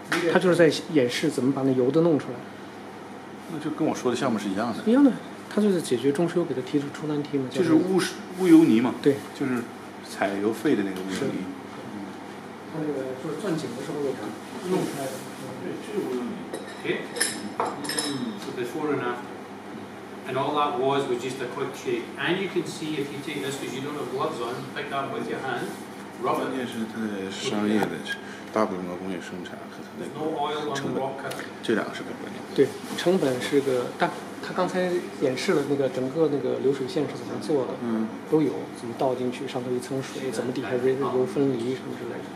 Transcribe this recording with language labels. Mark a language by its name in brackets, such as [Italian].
[Chinese] 他就是在演示怎么把那油都弄出来，那就跟我说的项目是一样的。一样的，他就是解决中石油给他提出出难题嘛。就是污油泥嘛。对，就是采油费的那个污油泥。他那个就是钻井的时候弄出来的。对，就是污油泥。 [English] Okay. So before and after, and all that was just a quick shake. And you can see if you take this because you don't have gloves on, pick that with your hand. Rub it. [Chinese] 关键是它的商业的。大部分的工业生产和它那个成本，这两个是个关键。对，成本是个大他刚才演示了那个整个那个流水线是怎么做的，嗯，都有怎么倒进去，上头一层水，怎么底下人油分离什么之类的。